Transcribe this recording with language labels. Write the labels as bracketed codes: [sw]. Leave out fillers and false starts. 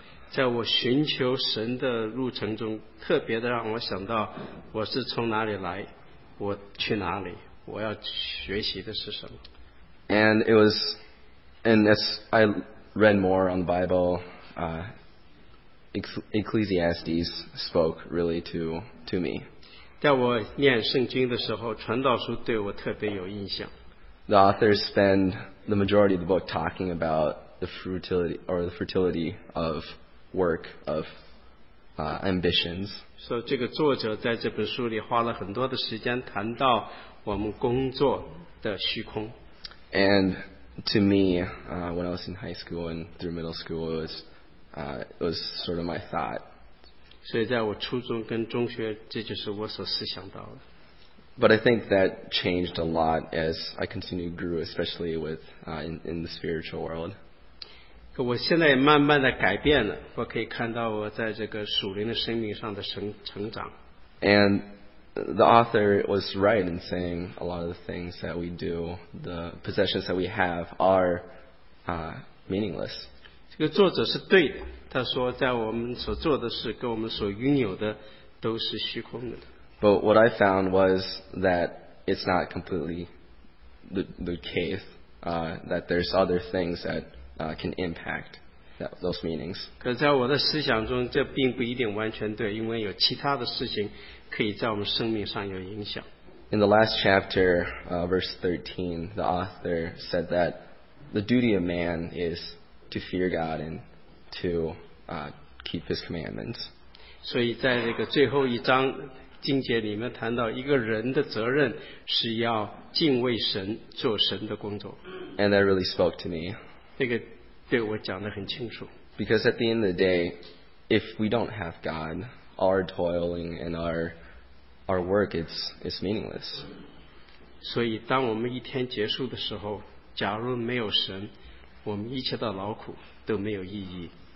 [zh] 在我寻求神的路程中，特别的让我想到我是从哪里来，我去哪里，我要学习的是什么。 [en] And it was, and as I read more on the Bible,Ecclesiastes spoke really to me. [zh] 在我念圣经的时候，传道书对我特别有印象。 [en] The authors spend the majority of the book talking about the fertility of work, of ambitions. [zh] So, 这个作者在这本书里花了很多的时间谈到我们工作的虚空。 [en] And to me, when I was in high school and through middle school, it was sort of my thought. [zh] 所以在我初中跟中学，这就是我所思想到的。 [en] But I think that changed a lot as I continued to grow, especially with in the spiritual world. [zh] 可我现在也慢慢的改变了，我可以看到我在这个属灵的生命上的成长。 [en] And the author was right in saying a lot of the things that we do, the possessions that we have, are meaningless. [zh] 这个作者是对的，他说在我们所做的事跟我们所拥有的都是虚空的。 [en] But what I found was that it's not completely the case, that there's other things that can impact that, those meanings. [zh] 可在我的思想中，这并不一定完全对，因为有其他的事情可以在我们生命上有影响。 [en] In the last chapter, verse 13, the author said that the duty of man is to fear God and to keep his commandments. [zh] 所以在这个最后一章经节里面谈到，一个人的责任是要敬畏神，做神的工作。 [en] And that really spoke to me. [zh] 这个对我讲得很清楚。 [en] Because at the end of the day, if we don't have God, our toiling and our work is meaningless. [zh] 所以当我们一天结束的时候，假如没有神，我们一切的劳苦都没有意义。